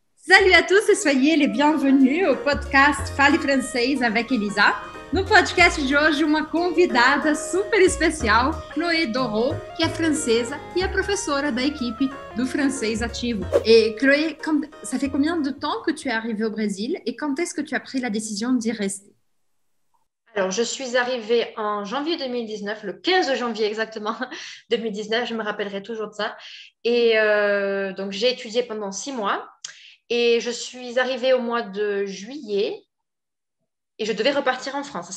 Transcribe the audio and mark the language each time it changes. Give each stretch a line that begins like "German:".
French: Salut à tous et soyez les bienvenus au podcast Fale Francês avec Elisa.
Portuguese: No podcast de hoje, uma convidada super especial, Chloé Doro, que é francesa e é professora da equipe do Francês Ativo.
French: Et Chloé, ça fait combien de temps que tu es arrivée au Brésil et quand est-ce que tu as pris la décision d'y rester? Alors, je suis arrivée en janvier 2019, le 15 janvier exactement 2019, je me rappellerai toujours de ça. Et donc, j'ai étudié pendant 6 mois. Et je suis arrivée au mois de juillet et je devais repartir en France.